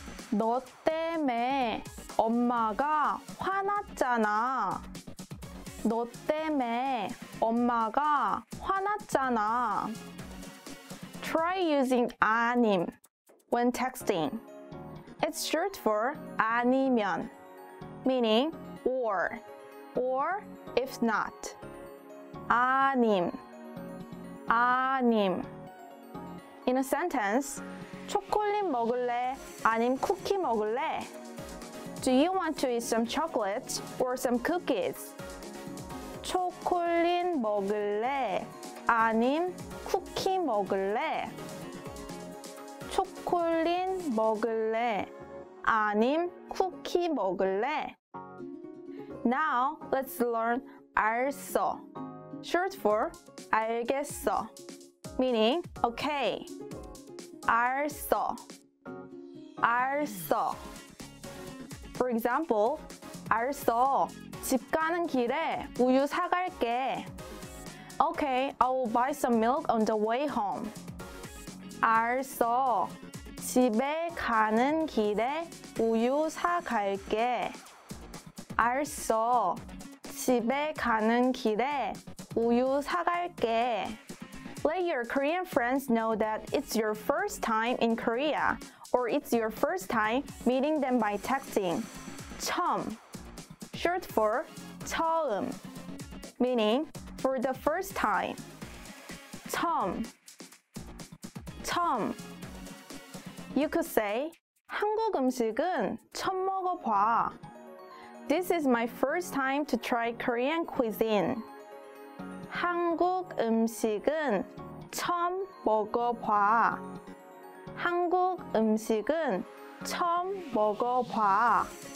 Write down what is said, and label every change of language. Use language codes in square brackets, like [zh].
[ko] 너 때문에 엄마가 화났잖아. 너 때문에 엄마가 화났잖아. [en] Try using 아님 when texting. It's short for 아니면, meaning or if not. [ko] 아님, 아님. [en] In a sentence, [ko] 초콜릿 먹을래? 아님 쿠키 먹을래? [en] Do you want to eat some chocolate or some cookies? [ko] 초콜릿 먹을래? 아님 쿠키 먹을래? 초콜릿 먹을래? 아님 쿠키 먹을래? [en] Now, let's learn 알써, short for 알겠어, meaning okay. [ko] 알써, 알써. [en] For example, [ko] 알써, 집 가는 길에 우유 사갈게. [en] Okay, I will buy some milk on the way home. [ko] 알써, 집에 가는 길에 우유 사갈게. 알써, 집에 가는 길에 우유 사갈게. [en] Let your Korean friends know that it's your first time in Korea or it's your first time meeting them by texting. 처음, short for 처음, meaning for the first time. [ko] 처음, 처음. [en] You could say [ko] 한국 음식은 처음 먹어봐. [en] This is my first time to try Korean cuisine. [ko] 한국 음식은 처음 먹어봐. 한국 음식은 처음 먹어봐.